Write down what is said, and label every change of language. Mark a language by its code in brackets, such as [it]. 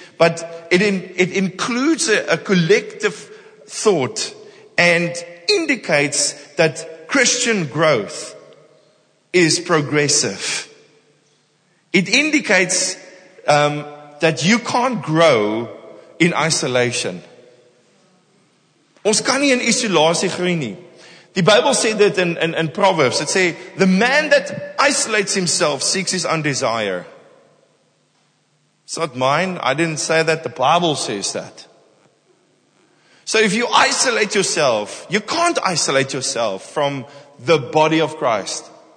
[en] But it includes a collective thought and indicates that Christian growth is progressive. It indicates that you can't grow in isolation. [af] Ons kan nie in isolasie groei nie. [en] The Bible said that in Proverbs. It says, the man that isolates himself seeks his own desire. It's not mine. I didn't say that. The Bible says that. So if you isolate yourself, you can't isolate yourself from the body of Christ.